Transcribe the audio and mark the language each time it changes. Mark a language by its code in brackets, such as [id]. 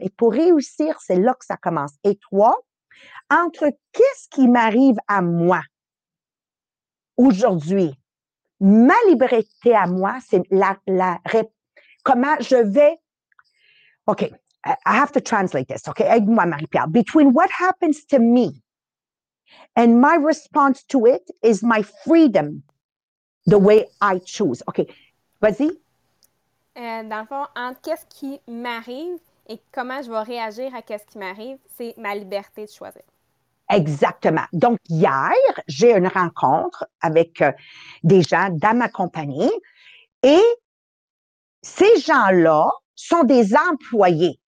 [fr] Et pour réussir, c'est là que ça commence. Et trois, entre qu'est-ce qui m'arrive à moi aujourd'hui, ma liberté à moi, c'est la comment je vais... [en] OK, I have to translate this, OK? [fr] Aide-moi, [en] Marie-Pierre. Between what happens to me and my response to it is my freedom, the way I choose. [fr] OK, vas-y. Dans le fond, entre qu'est-ce qui m'arrive et comment je vais réagir à qu'est-ce qui m'arrive, c'est ma liberté de choisir. Exactement. Donc, hier, j'ai une rencontre avec des gens dans ma compagnie et ces gens-là sont des employés.